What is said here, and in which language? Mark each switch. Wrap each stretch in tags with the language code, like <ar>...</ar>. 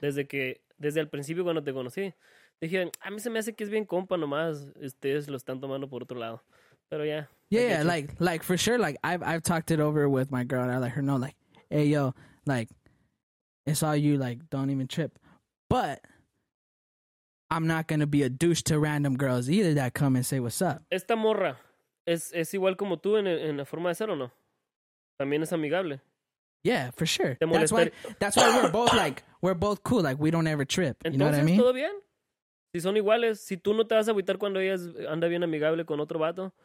<es>Desde el principio cuando te conocí, dije, a mí se me hace que es bien compa nomás, ustedes lo están tomando por otro lado. Pero ya.</es> <en>Yeah, like for sure, like I've talked it over with my girl and I let her know, like, hey yo, like it's all you, like don't even trip. But I'm not gonna be a douche to random girls either that come and say what's up.</en> <es>Esta morra es igual como tú en la forma de ser o no? También es amigable.</es> <en>Yeah, for sure. That's why we're both cool. Like we don't ever trip.</en> <es>Entonces,</es> <en>you know what I mean?</en> <es>¿Todo bien? Si son iguales, si tú no te vas a agüitar cuando ella anda bien amigable con otro vato,</es>